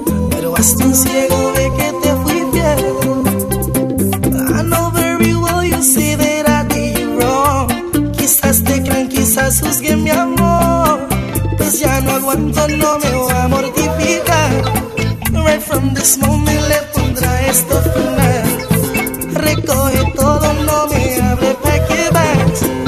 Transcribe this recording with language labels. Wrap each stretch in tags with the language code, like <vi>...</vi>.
<es>Pero vas tan ciego de que te fui fiel.</es> <en>I know very well you see that I did wrong.</en> <es>Quizás te crean, quizás juzguen mi amor. Pues ya no aguanto, no me voy a mortificar.</es> <en>Right from this moment</en> <es>le pondrá esto final. Recoge todo, no me hable, pa' que vas.</es>